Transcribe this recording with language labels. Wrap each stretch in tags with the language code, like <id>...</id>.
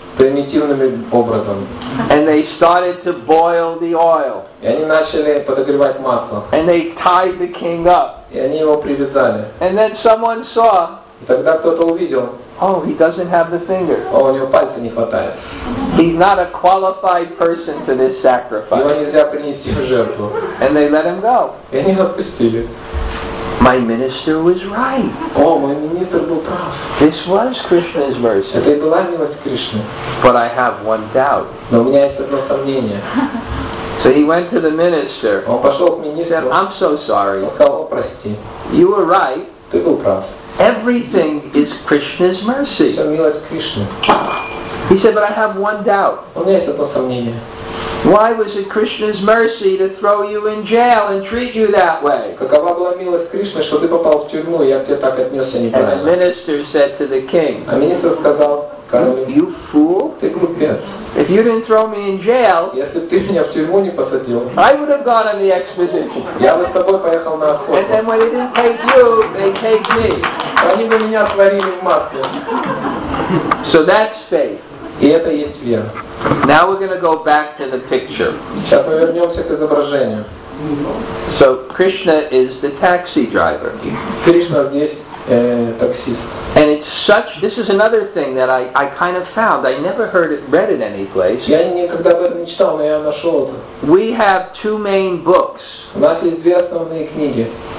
<ru>Примитивным образом.</ru> <en>And they started to boil the oil.</en> <ru>И они начали подогревать масло.</ru> <en>And they tied the king up.</en> <ru>И они его привязали.</ru> <en>And then someone saw.</en> <ru>И тогда кто-то увидел.</ru> <en>Oh, he doesn't have the finger.</en> <ru>О, у него пальца не хватает.</ru> <en>He's not a qualified person for this sacrifice.</en> <ru>Его нельзя принести в жертву.</ru> <en>And they let him go.</en> <ru>И они его отпустили.</ru> <en>My minister was right.</en> <ru>О, мой министр был прав.</ru> <en>This was Krishna's mercy.</en> <ru>Это и была милость Кришны.</ru> <en>But I have one doubt.</en> <ru>Но у меня есть одно сомнение.</ru> <en>So he went to the minister.</en> <ru>Он пошел к министру.</ru> <en>I'm so sorry.</en> <ru>Он сказал, прости.</ru> <en>You were right.</en> <ru>Ты был прав.</ru> <en>Everything is Krishna's mercy.</en> <ru>Все милость Кришны.</ru> <en>He said, but I have one doubt.</en> <ru>У меня есть одно сомнение.</ru> <en>Why was it Krishna's mercy to throw you in jail and treat you that way?</en> <ru>Какова была милость Кришны, что ты попал в тюрьму, и я к тебе так отнесся неправильно?</ru> <en>And the minister said to the king.</en> <ru>А министр сказал королю.</ru> <en>You fool!</en> <ru>Ты глупец.</ru> <en>If you didn't throw me in jail.</en> <ru>Если бы ты меня в тюрьму не посадил.</ru> <en>I would have gone on the expedition.</en> <ru>Я бы с тобой поехал на охоту.</ru> <en>And then when they didn't take you, they take me.</en> <ru>Они бы меня сварили в масле.</ru> <en>So that's faith.</en> <ru>И это есть вера.</ru> <en>Now we're going to go back to the picture.</en> <ru>Сейчас мы вернемся к изображению.</ru> <en>So Krishna is the taxi driver.</en> <ru>Кришна здесь таксист.</ru> <en>And it's such. This is another thing that I kind of found. I never heard it read in any place.</en> <ru>Я никогда об этом не читал, но я нашел это.</ru> <en>We have two main books.</en> <ru>У нас есть две основные книги.</ru>